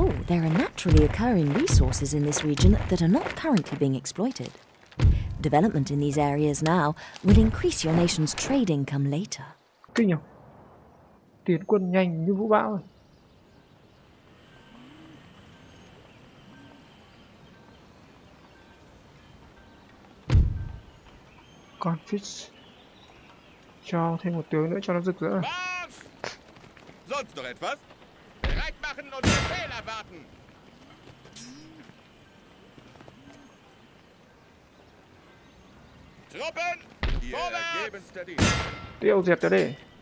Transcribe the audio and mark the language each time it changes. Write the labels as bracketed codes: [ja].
[en] there are naturally occurring resources in this region that are not currently being exploited. Development in these areas now will increase your nation's trade income later. [vi] Kinh nhỉ? Tiến quân nhanh như vũ bão. Confis cho thêm một tướng nữa cho nó rực rỡ. [de] Sonst noch etwas? Bereit machen und Befehl erwarten. Truppen, vorwärts. [vi] Tiêu diệt cho đi.